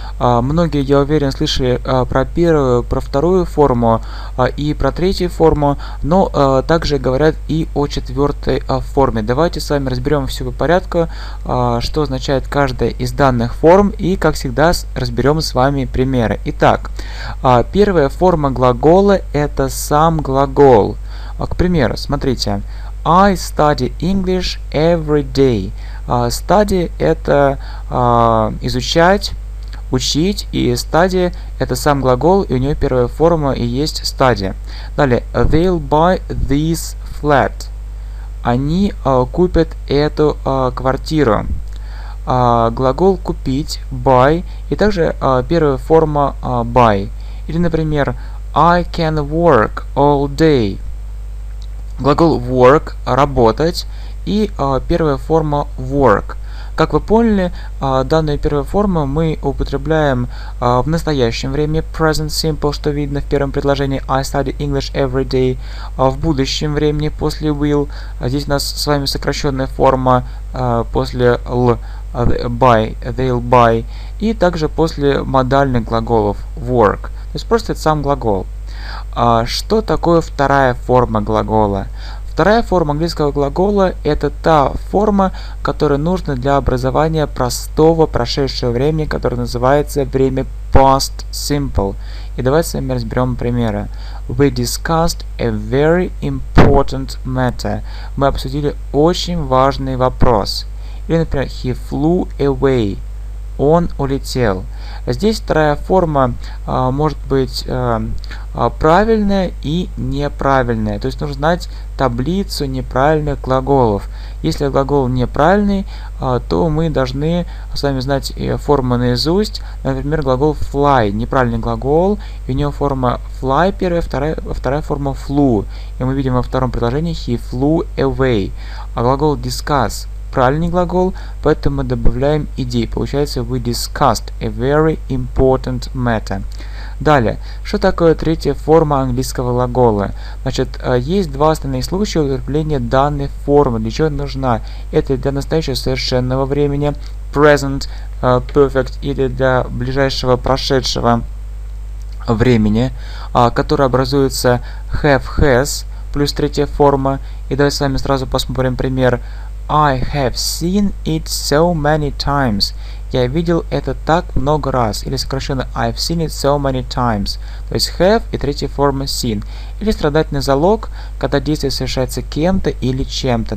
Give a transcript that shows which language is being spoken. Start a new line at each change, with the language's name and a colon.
Russian: Многие, я уверен, слышали про первую, про вторую форму и про третью форму, но также говорят и о четвертой форме. Давайте с вами разберем все по порядку, что означает каждая из данных форм, и, как всегда, разберем с вами примеры. Итак, первая форма глагола – это сам глагол. К примеру, смотрите.
English: I study English every day.
Russian: Study – это изучать, учить, и study – это сам глагол, и у нее первая форма и есть study. Далее,
English: they'll buy this flat.
Russian: Они купят эту квартиру. Глагол купить – buy, и также первая форма buy. Или, например,
English: I can work all day.
Russian: Глагол work – работать, и первая форма work. Как вы поняли, данную первую форму мы употребляем в настоящем времени – present simple, что видно в первом предложении –
English: I study English every day.
Russian: В будущем времени – после will. Здесь у нас с вами сокращенная форма после l – buy,
English: they'll buy.
Russian: И также после модальных глаголов – work. То есть просто это сам глагол. Что такое вторая форма глагола? Вторая форма английского глагола – это та форма, которая нужна для образования простого прошедшего времени, которое называется время past simple. И давайте с вами разберем примеры.
English: We discussed a very important matter.
Russian: Мы обсудили очень важный вопрос. Или, например,
English: he flew away.
Russian: Он улетел. Здесь вторая форма может быть правильная и неправильная. То есть нужно знать таблицу неправильных глаголов. Если глагол неправильный, то мы должны с вами знать формы наизусть. Например, глагол fly – неправильный глагол. И у него форма fly первая, вторая форма flew. И мы видим во втором предложении
English: he flew away.
Russian: А глагол discuss – правильный глагол, поэтому мы добавляем ed. Получается,
English: we discussed a very important matter.
Russian: Далее, что такое третья форма английского глагола? Значит, есть два основных случая употребления данной формы. Для чего она нужна? Это для настоящего совершенного времени, present, perfect, или для ближайшего прошедшего времени, которое образуется have, has, плюс третья форма. И давайте с вами сразу посмотрим пример.
English: I have seen it so many times.
Russian: Я видел это так много раз. Или сокращенно
English: I've seen it so many times.
Russian: То есть have и третья форма seen. Или страдательный залог, когда действие совершается кем-то или чем-то.